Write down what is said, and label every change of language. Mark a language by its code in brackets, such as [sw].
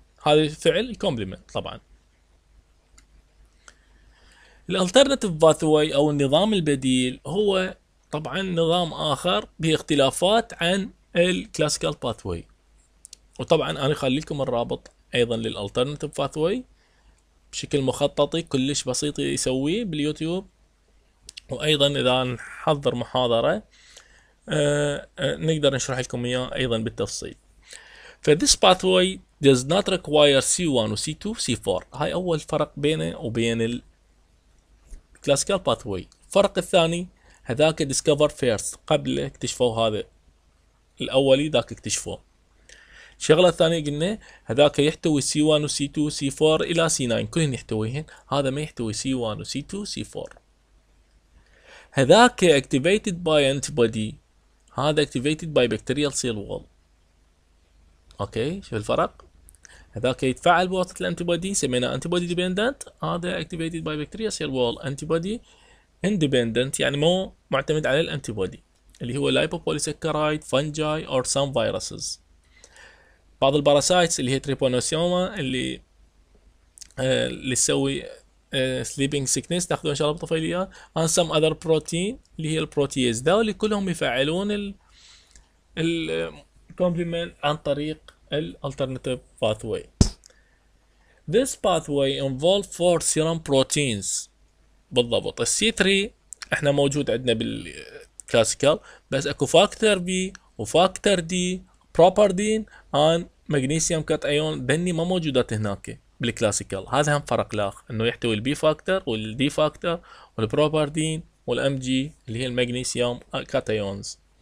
[ar] هذا فعل كومبليمنت. طبعا الالترناتيف باثوي او النظام البديل هو طبعا نظام اخر باختلافات عن الكلاسيكال باثوي، وطبعا انا اخلي لكم الرابط ايضا للالترناتيف باثوي بشكل مخططي كلش بسيط يسويه باليوتيوب. وايضا اذا نحضر محاضره نقدر نشرح لكم اياه ايضا بالتفصيل. [en] فذيس pathway does not require C1 و C2 C4. [ar] هاي اول فرق بينه وبين الكلاسيكال باثوي. الفرق الثاني هذاك ديسكفر فيرست، قبل اكتشفوا هذا الاولي ذاك اكتشفوه. الشغلة الثانية قلنا هذاك يحتوي C1 و C2 و C4 إلى C9 كلهن يحتويهن، هذا ما يحتوي C1 و C2 و C4. هذاك [en] activated by antibody، [ar] هذا [en] activated by bacterial cell wall. [ar] اوكي شوف الفرق، هذاك يتفاعل بواسطة الانتيبادي سمينا انتيبادي ديبندنت، هذا [en] activated by bacterial cell wall antibody independent [ar] يعني مو معتمد على الانتيبادي اللي هو [en] lipopolysaccharide fungi or some viruses. [ar] بعض الباراسايتس اللي هي تريبونوسيوما اللي تسوي sleeping sickness تاخذون ان شاء الله بطفيليه، [en] and some other protein [ar] اللي هي البروتيز، ذول كلهم يفعلون ال complement عن طريق ال alternative pathway. [en] This pathway involve four serum proteins. [ar] بالضبط ال C3 احنا موجود عندنا بالكلاسيكال، بس اكو فاكتور بي وفاكتور دي بروباردين ان مغنيسيوم كات ايون بني ما موجودات هناك بالكلاسيكال. هذا هم فرق لاخ، انه يحتوي البي فاكتور والدي فاكتور والبروباردين والام جي اللي هي المغنيسيوم كات ايونز.